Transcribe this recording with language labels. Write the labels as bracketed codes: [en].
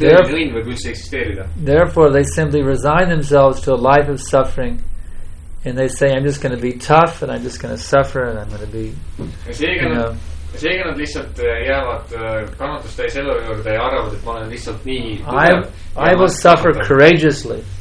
[en] Therefore they simply resign themselves to a life of suffering and they say, I'm just going to be tough and I'm just going to suffer and I'm going to be, [et] seega nad lihtsalt jäävad kannatustäis elu juurde ja arvavad, et ma olen lihtsalt nii [en] I will suffer courageously.